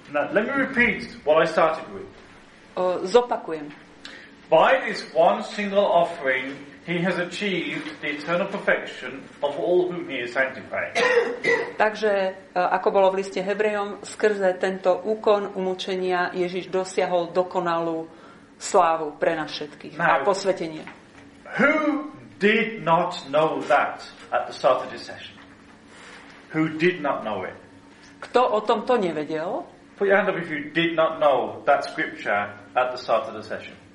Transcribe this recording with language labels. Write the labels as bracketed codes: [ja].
[en] Now, let me repeat what I started with. [sk] Zopakujem. [en] By this one single offering, he has achieved the eternal perfection of all whom he is sanctified. [sk] Takže, ako bolo v liste Hebrejom, skrze tento úkon umučenia Ježiš dosiahol dokonalú slávu pre nás všetkých [en] now, [sk] a posvetenie. [en] Who did not know that at the start of the session? Who did not know it? [sk] Kto o tomto nevedel? [en] Put your hand up if you did not know that scripture at the start of the session.